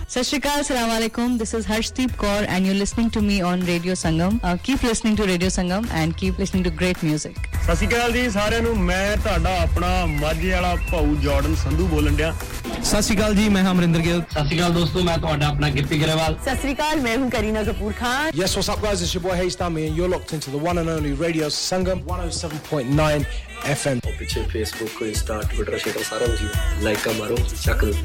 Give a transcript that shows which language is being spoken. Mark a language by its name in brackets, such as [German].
[English] ਸਤਿ ਸ਼੍ਰੀ ਅਕਾਲ, ਅਸਲਾਮ ਅਲੈਕੁਮ, this is Harshdeep Kaur and you listening to me on radio Sangam. Keep listening to radio Sangam and keep listening to great music. [Punjabi] ਸਤਿ ਸ਼੍ਰੀ ਅਕਾਲ ਜੀ ਸਾਰਿਆਂ ਨੂੰ, ਮੈਂ ਤੁਹਾਡਾ ਆਪਣਾ ਮਾਝੇ ਵਾਲਾ ਭਾਊ ਜਾਰਡਨ ਸੰਧੂ ਬੋਲਣ ਡਿਆ. ਸਤਿ ਸ਼੍ਰੀ ਅਕਾਲ ਜੀ, ਮੈਂ ਹਾਂ ਅਮਰਿੰਦਰ ਗਿੱਲ. ਸਤਿ ਸ਼੍ਰੀ ਅਕਾਲ ਦੋਸਤੋ, ਮੈਂ ਤੁਹਾਡਾ ਆਪਣਾ ਗਿੱਪੀ ਗਰੇਵਾਲ. [Hindi] ਸਤਿ ਸ਼੍ਰੀ ਅਕਾਲ, ਮੈਂ ਹੂੰ Kareena Kapoor Khan. [English] Yes, what's up guys, it's your boy Hey Stami and you're locked into the one and only Radio Sangam 107.9 FM. [Punjabi] ਪਿੱਛੇ ਫੇਸਬੁੱਕ, ਇੰਸਟਾ, ਟਵਿੱਟਰ, ਸ਼ੇਅਰ ਸਾਰਾ ਕੁਝ ਲਾਈਕ ਮਾਰੋ, ਚੱਕ